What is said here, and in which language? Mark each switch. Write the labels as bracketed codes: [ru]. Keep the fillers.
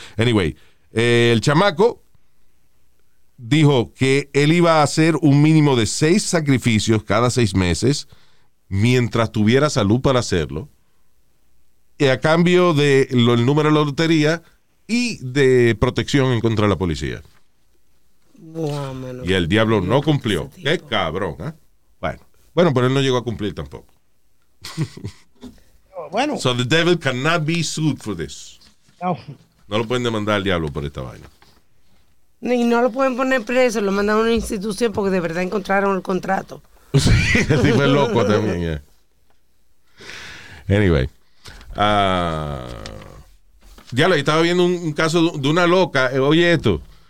[es] Anyway, eh, el chamaco dijo que él iba a hacer un mínimo de seis sacrificios cada seis meses mientras tuviera salud para hacerlo y a cambio de lo- el número de la lotería y de protección en contra de la policía. Buah, mano. Y el diablo no cumplió. Ese Qué tipo. cabrón, ¿eh? Bueno, bueno, pero él no llegó a cumplir tampoco. Bueno, [en] So the devil cannot be sued for this. [es] no. No lo pueden demandar al diablo por esta vaina. Y no lo pueden poner preso, lo mandan a una institución porque de verdad encontraron el contrato. Sí, el tipo es loco también, [en] yeah. Anyway. [es] Ah, ya lo estaba viendo un, un caso de una loca. eh, oye esto.